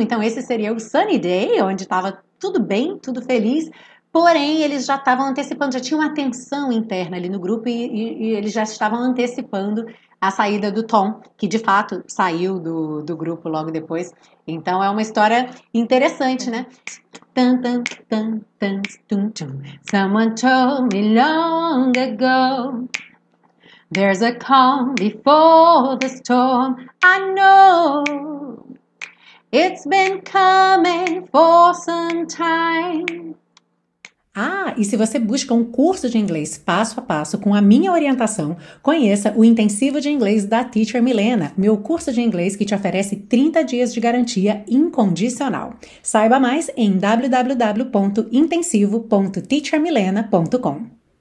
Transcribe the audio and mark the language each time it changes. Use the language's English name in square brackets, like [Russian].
[Portuguese] Então esse seria o Sunny Day, onde estava tudo bem, tudo feliz. Porém, eles já estavam antecipando, já tinha uma tensão interna ali no grupo e eles já estavam antecipando a saída do Tom, que de fato saiu do grupo logo depois. Então é uma história interessante, né? Tan, tan, tan, tan, tum, tum. [English] Someone told me long ago, there's a calm before the storm, I know. It's been coming for some time. [Portuguese] Ah, e se você busca um curso de inglês passo a passo com a minha orientação, conheça o Intensivo de Inglês da Teacher Milena, meu curso de inglês que te oferece 30 dias de garantia incondicional. Saiba mais em www.intensivo.teachermilena.com.